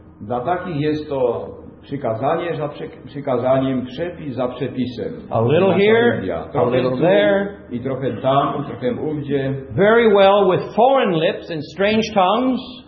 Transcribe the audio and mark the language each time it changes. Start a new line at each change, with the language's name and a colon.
Polish: Dla takich jest to przykazanie za przykazaniem, przepis za przepisem.
English: A little here, a little there,
Polish: i trochę tam, trochę ówdzie.
English: Very well with foreign lips and strange tongues.